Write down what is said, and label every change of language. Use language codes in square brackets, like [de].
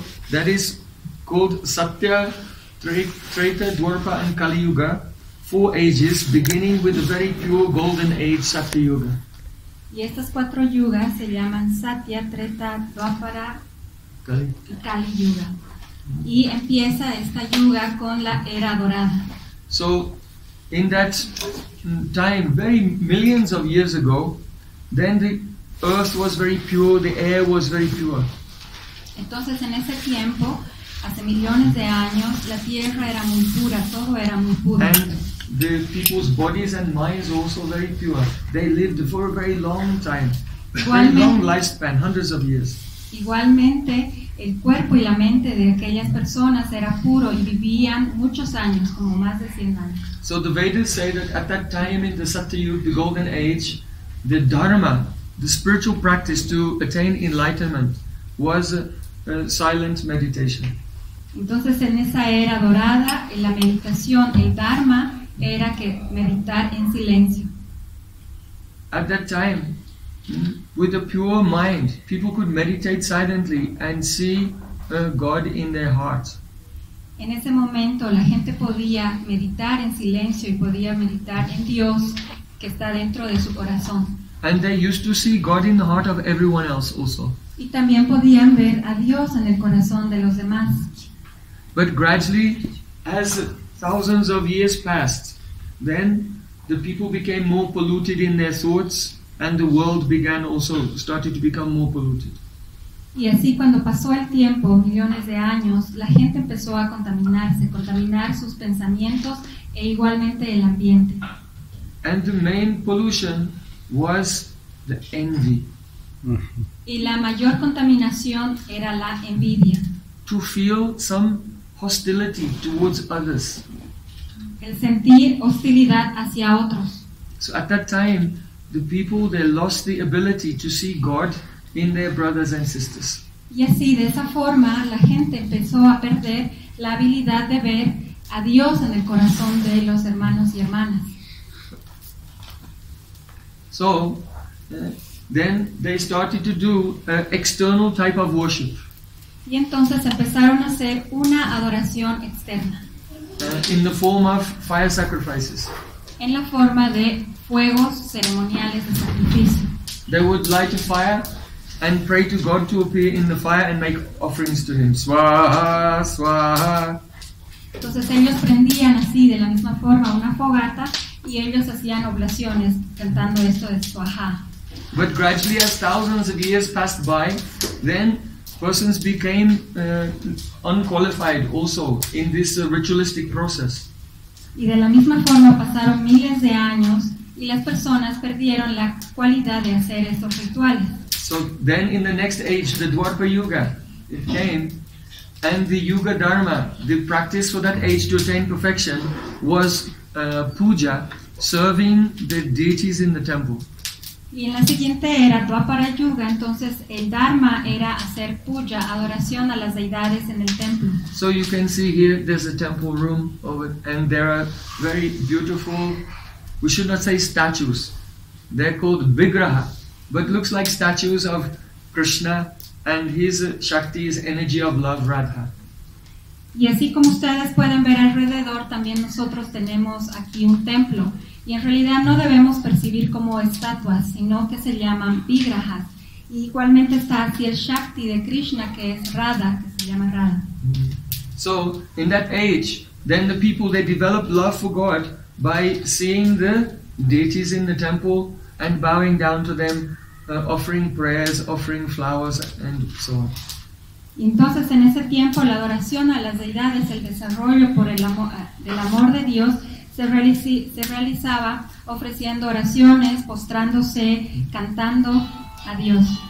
[en] that is called Satya, Treta, Dwarpa and Kali Yuga, four ages, beginning with the very pure golden age Satya Yuga. [es] Y estas cuatro yugas se llaman Satya, Treta, Dwapara y Kali Yuga. Y empieza esta yuga con la era dorada. [en] So, in that time, very millions of years ago, then the earth was very pure, the air was very pure. [es] Entonces, en ese tiempo, hace millones de años, la tierra era muy pura, todo era muy puro. [en] And the people's bodies and minds also very pure. They lived for a very long time, very long lifespan, hundreds of years. [es] Igualmente, el cuerpo y la mente de aquellas personas era puro y vivían muchos años, como más de 100 años. [en] So the Vedas say that at that time in the Satyayuga, the golden age, the dharma, the spiritual practice to attain enlightenment, was a silent meditation. [es] Entonces, en esa era dorada, en la meditación, el dharma era que meditar en silencio. [en] At that time, with a pure mind, people could meditate silently and see God in their heart. [es] En ese momento, la gente podía meditar en silencio y podía meditar en Dios que está dentro de su corazón. [en] And they used to see God in the heart of everyone else also. [es] Y también podían ver a Dios en el corazón de los demás. [en] But gradually, as thousands of years passed, then the people became more polluted in their thoughts, and the world began also started to become more polluted. [es] Y así cuando pasó el tiempo, millones de años, la gente empezó a contaminarse, contaminar sus pensamientos e igualmente el ambiente. [en] And the main pollution was the envy. [es] Y la mayor contaminación era la envidia. [en] To feel some hostility towards others. [es] El sentir hostilidad hacia otros. [en] So at that time, the people, they lost the ability to see God in their brothers and sisters. [es] Y así, de esa forma, la gente empezó a perder la habilidad de ver a Dios en el corazón de los hermanos y hermanas. [en] So, then they started to do an external type of worship. [es] Y entonces empezaron a hacer una adoración externa. [en] In the form of fire sacrifices. [es] En la forma de fuegos ceremoniales de sacrificio. [en] They would light a fire and pray to God to appear in the fire and make offerings to Him. [sa] Swaha, swaha. [es] Entonces ellos prendían así, de la misma forma, una fogata y ellos hacían oblaciones cantando esto de swaha. [en] But gradually, as thousands of years passed by, then persons became unqualified also in this ritualistic process. [es] Y de la misma forma pasaron miles de años y las personas perdieron la cualidad de hacer estos rituales. [en] So then in the next age, the Dwarpa Yuga, it came, and the Yuga Dharma, the practice for that age to attain perfection, was puja, serving the deities in the temple. [es] Y en la siguiente era Dwapara Yuga, entonces el Dharma era hacer puja, adoración a las deidades en el templo. [en] So you can see here there's a temple room over, and there are very beautiful, we should not say statues, they're called vigraha, but looks like statues of Krishna and his Shakti, his energy of love, Radha. [es] Y así como ustedes pueden ver alrededor, también nosotros tenemos aquí un templo. Y en realidad no debemos percibir como estatuas, sino que se llaman vigrahas. Y igualmente está aquí el Shakti de Krishna, que es Radha, que se llama Radha. [en] So, in that age, then the people, they developed love for God by seeing the deities in the temple and bowing down to them, offering prayers, offering flowers, and so on. [es] Y entonces, en ese tiempo, la adoración a las deidades, el desarrollo por el amor de Dios, se realizaba ofreciendo oraciones, postrándose, cantando a Dios.